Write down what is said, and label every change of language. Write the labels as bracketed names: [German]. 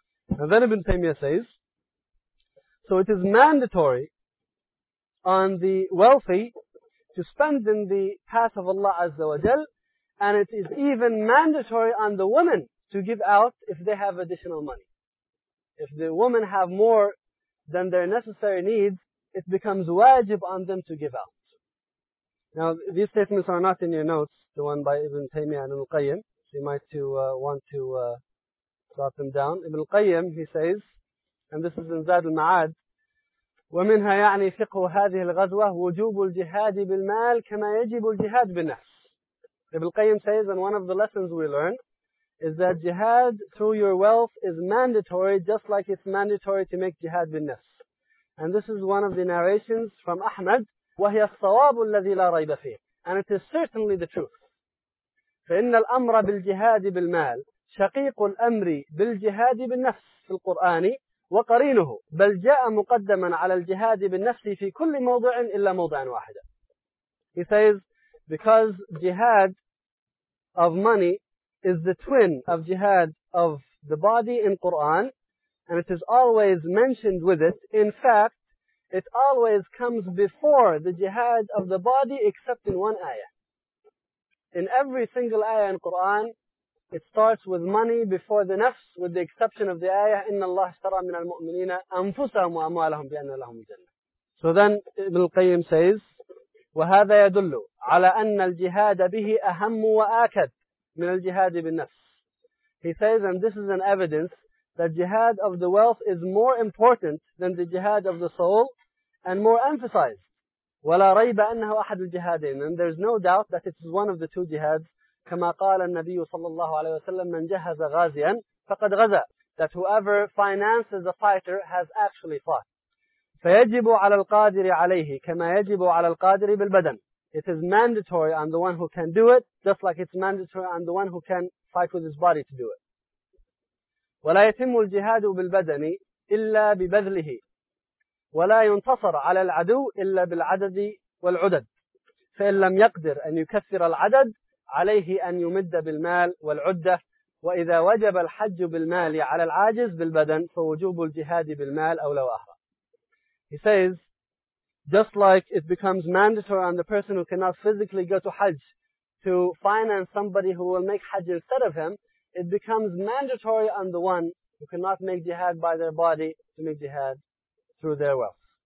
[English] And then Ibn Taymiyyah says, so it is mandatory on the wealthy to spend in the path of Allah Azza wa Jal, and it is even mandatory on the woman to give out if they have additional money. If the women have more than their necessary needs, it becomes wajib on them to give out. Now, these statements are not in your notes, the one by Ibn Taymiyyah and Ibn Qayyim. You might want to jot them down. Ibn Qayyim, he says, and this is in Zad al-Ma'ad, [Arabic] وَمِنْهَا يَعْنِي فِقْهُ هَذِهِ الْغَزْوَةِ وُجُوبُ الْجِهَادِ بِالْمَالِ كَمَا يَجِبُ الْجِهَادِ بِالنَّفْسِ. [English] Ibn Qayyim says, and one of the lessons we learn is that jihad through your wealth is mandatory, just like it's mandatory to make jihad بِالنَّفْسِ. And this is one of the narrations from Ahmad, [Arabic] وَهِيَ الصَّوَابُ الَّذِي لَا رَيْبَ فِيهِ. [English] And it is certainly the truth. [Arabic] فَإِنَّ الْأَمْرَ بِالْجِهَادِ بِالْمَالِ شَقِيقُ الْأَمْرِ بِالْجِهَادِ بِالنَّفْسِ فِي الْقُرْآنِ وقرينه بل جاء مقدما على الجهاد بالنفس في كل موضع إلا موضع واحد. [English] He says, because jihad of money is the twin of jihad of the body in Quran, and it is always mentioned with it. In fact, it always comes before the jihad of the body, except in one ayah. In every single ayah in Quran, it starts with money before the nafs, with the exception of the ayah, [Arabic] إِنَّ اللَّهَ اشْتَرَى مِنَ الْمُؤْمِنِينَ أَنفُسَهُمْ وَأَمْوَالَهُمْ بِأَنَّ لَهُمُ الْجَنَّةَ. [English] So then Ibn al-Qayyim says, [Arabic] وَهَذَا يَدُلُّ عَلَى أَنَّ الْجِهَادَ بِهِ أَهَمُّ وَآكَدُ مِنَ الْجِهَادِ بِالنَّفْسِ. [English] He says, and this is an evidence, that jihad of the wealth is more important than the jihad of the soul, and more emphasized. [Arabic] وَلَا رَيْبَ أَنَّهُ أَحَدُ الْجِهَادِينَ. [English] And there's no doubt that it is one of the two jihads [Arabic] كما قال النبي صلى الله عليه وسلم من جهز غازيا فقد غزا. [English] That whoever finances a fighter has actually fought. [Arabic] فيجب على القادر عليه كما يجب على القادر بالبدن. [English] It is mandatory on the one who can do it, just like it's mandatory on the one who can fight with his body to do it. [Arabic] ولا يتم الجهاد بالبدن إلا ببذله ولا ينتصر على العدو إلا بالعدد والعدد. فإن لم يقدر أن يكثر العدد عليه أن يمد بالمال والعدة. وإذا وجب الحج بالمال على العاجز بالبدن فوجوب الجهاد بالمال أولى وأهرى. [English] He says, just like it becomes mandatory on the person who cannot physically go to Hajj to finance somebody who will make Hajj instead of him, it becomes mandatory on the one who cannot make jihad by their body to make jihad through their wealth.